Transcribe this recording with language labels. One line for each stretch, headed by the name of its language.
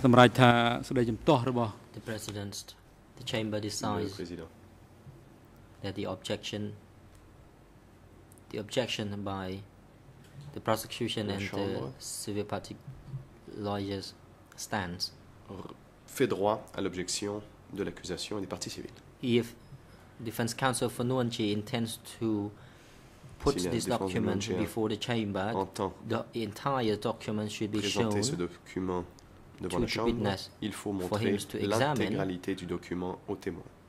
English: The President, the Chamber decides that the objection by the prosecution and the civil party lawyers stands.
French: Fait droit à l'objection de l'accusation et des parties civiles.
English: If Defense Counsel for Nuanchi intends to put this document before the Chamber, the entire document should be shown.
French: Devant la Chambre,
English: witness,
French: il faut montrer l'intégralité du document au témoin.